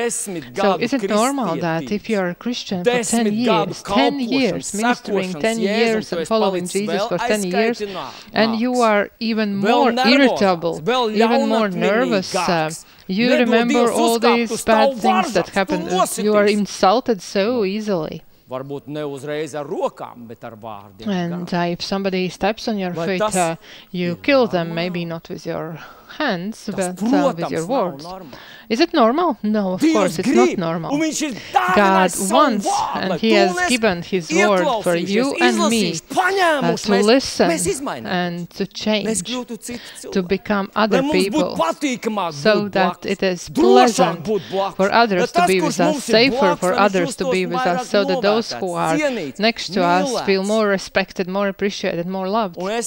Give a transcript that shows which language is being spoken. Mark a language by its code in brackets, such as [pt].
[en] So is it normal that if you are a Christian for 10 years, ministering 10 years and following Jesus for 10 years, and you are even more irritable, even more nervous, you remember all these bad things that happened, you are insulted so easily. [lv] Varbūt ne uzreiz ar rokām, bet ar vārdiem. [en] And if somebody steps on your feet, you kill them, maybe not with your hands, but with your words. Is it normal? No, of course, it's not normal. God wants, and He has given His word for you and me to listen and to change, to become other people, so that it is pleasant for others to be with us, safer for others to be with us, so that those who are next to us feel more respected, more appreciated, more loved.